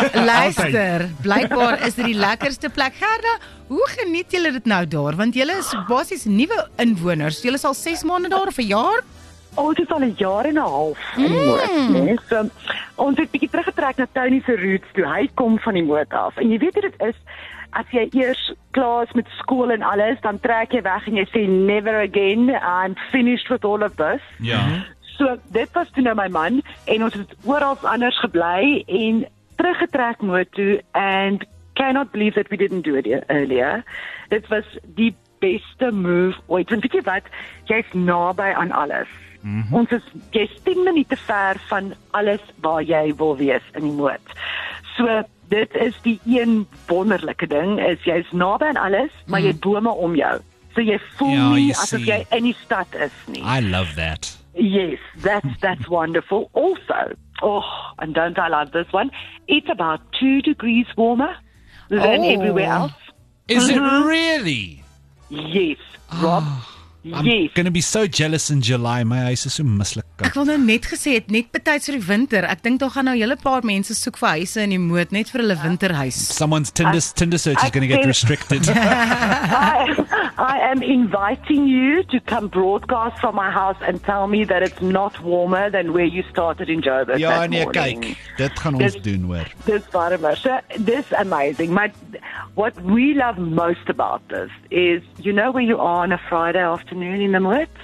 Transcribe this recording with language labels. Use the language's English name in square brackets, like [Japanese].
[Afrikaans] Luister, blykbaar is dit die lekkerste plek. Gerda, hoe geniet julle dit nou daar? Want julle is basies nuwe inwoners. Julle is al 6 maande daar of 'n jaar? Ons is al 'n jaar en 'n half in die moot. So, ons het bietjie teruggetrek na Tony se roots toe. Hy kom van die moot af. En jy weet hoe dit is, as jy eers klaar is met skool en alles, dan trek jy weg en jy sê [English] never again, I'm finished with all of this. [Afrikaans] Ja. So dit was toe nou my man en ons het oral anders gebly en teruggetrek moot toe [English] and cannot believe that we didn't do it earlier. [Afrikaans] Dit was die beste move ooit. Want weet jy wat, jy is naby aan alles. Mm-hmm. Ons is 10 minute ver van alles waar jy wil wees in die moot. So dit is die een wonderlike ding, is jy is naby aan alles, maar jy het bome om jou. So jy voel nie asof jy in die stad is nie. [English] I love that. Yes, that's wonderful. Also, oh, and don't I love this one, it's about 2 degrees warmer than everywhere else. Is it really? Yes, Rob. I'm going to be so jealous in July. [Afrikaans] My huis is so mislik. Ek wil nou net gesê het, net betyds vir die winter. Ek dink daar gaan nou hele paar mense soek vir huise in die moot, net vir hulle winterhuis. [English] Someone's Tinder search is going to get restricted. I am inviting you to come broadcast from my house and tell me that it's not warmer than where you started in Joburg that morning. [Afrikaans] Ja, nee, kyk, dit gaan ons doen, hoor. Dis warmer. [English] So, this is amazing. What we love most about this is, you know where you are on a Friday afternoon in the moot?